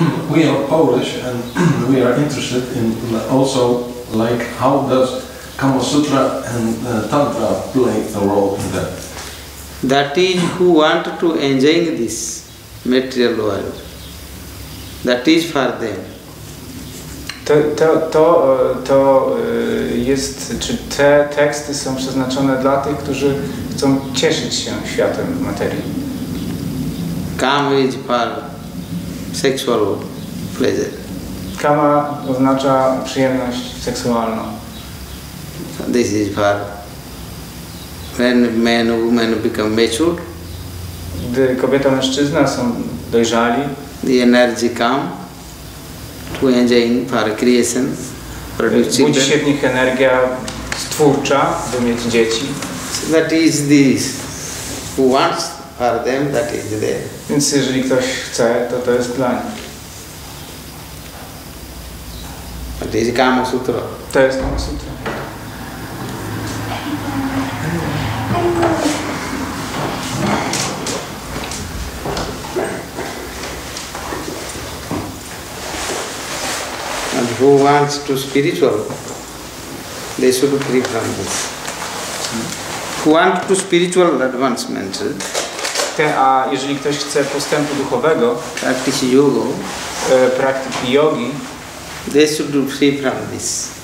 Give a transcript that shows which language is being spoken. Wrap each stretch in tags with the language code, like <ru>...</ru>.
<en>we are Polish and we are interested in also, like, how does Kama Sutra and Tantra play a role in that? That is who want to enjoy this material world. That is for them.</en> <pl>To jest, czy te teksty są przeznaczone dla tych, którzy chcą cieszyć się światem materii?</pl> <en>Kama is for sexual pleasure.</en> <pl>Kama oznacza przyjemność seksualną.</pl> <en>This is for when man and woman become mature.</en> <pl>Gdy kobieta i mężczyzna są dojrzali,</pl> <en>the energy come to enjoy for creation, produce.</en> <pl>Budzi się w nich energia stwórcza, by mieć dzieci.</pl> <en>So that is this. Who wants for them, that is there.</en> <pl>Więc jeżeli ktoś chce, to to jest dla nich. To jest Kama Sutra. To jest Kama Sutra.</pl> <en>And who wants to spiritual, they should be free from this. Who wants to spiritual advancement?</en> <pl>A jeżeli ktoś chce postępu duchowego,</pl> <en>practice yoga,</en> <pl>praktyki jogi,</pl> <en>they should be free from this.</en>